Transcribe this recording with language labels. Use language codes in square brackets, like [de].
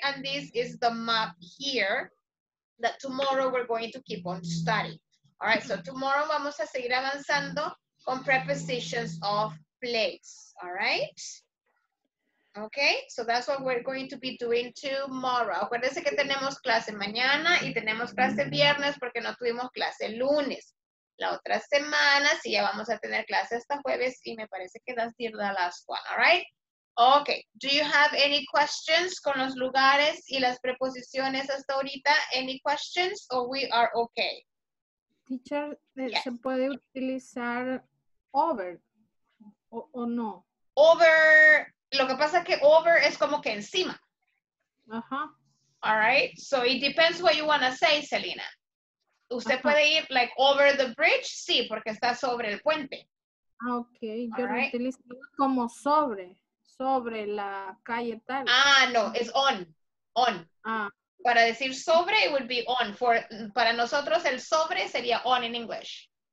[en] And this is the map here that tomorrow we're going to keep on studying. All right, so tomorrow [es] vamos a seguir avanzando con [en] prepositions of place, all right? Okay, so that's what we're going to be doing tomorrow. [es] Acuérdense que tenemos clase mañana y tenemos clase viernes porque no tuvimos clase lunes. La otra semana sí ya vamos a tener clase hasta jueves y me parece que [en] that's the last one, all right? Okay, do you have any questions [es] con los lugares y las preposiciones hasta ahorita? [en] Any questions or we are okay? Teacher, yes. [es] ¿Se puede utilizar over o no? Over, lo que pasa que over es como que encima. Ajá. [en] All right, so it depends what you want to say, Selena. [es] Usted puede ir [en] like over the bridge, [es] sí, porque está sobre el puente. Okay, yo lo utilizo como sobre la calle tal. [en] Ah, no, it's on. Ah. [es] Para decir sobre, [en] it would be on. [es] For para nosotros el sobre sería on in English.